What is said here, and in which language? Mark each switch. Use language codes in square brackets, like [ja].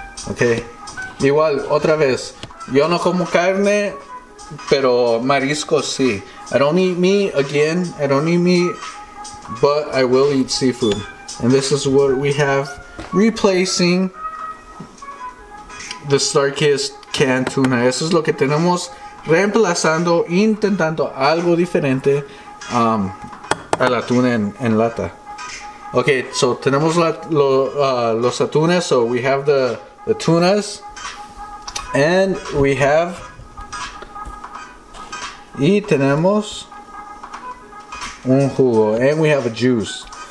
[es] Okay, igual otra vez, yo no como carne, pero marisco sí. [en] I don't eat meat, but I will eat seafood. And this is what we have, replacing the Starkist canned tuna. [es] Eso es lo que tenemos reemplazando, intentando algo diferente a la tuna en lata. [en] Okay, so [es] tenemos los atunes, [en] so we have the tunas, and we have, [es] y tenemos un jugo, [en] and we have a juice.